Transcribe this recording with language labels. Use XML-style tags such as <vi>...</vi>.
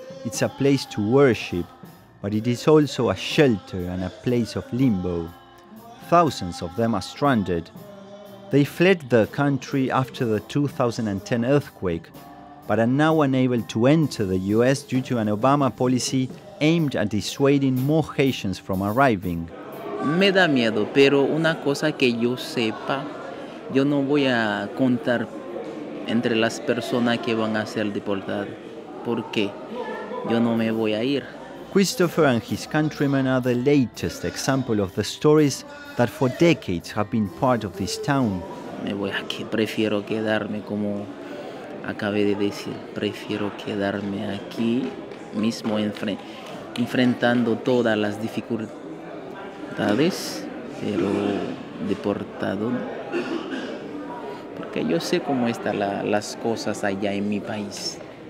<en>It's a place to worship, but it is also a shelter and a place of limbo. Thousands of them are stranded. They fled the country after the 2010 earthquake, but are now unable to enter the US due to an Obama policy aimed at dissuading more Haitians from arriving.</en> <es>Me da miedo, pero una cosa que yo sepa, yo no voy a contar entre las personas que van a ser deportadas. ¿Por qué? Yo no me voy a ir.</es> <en>Christopher and his countrymen are the latest example of the stories that for decades have been part of this town.</en> <es>Me voy aquí, prefiero quedarme como acabé de decir, prefiero quedarme aquí mismo enfrentando todas las dificultades, pero deportado, porque yo sé cómo están las cosas allá en mi país.</es>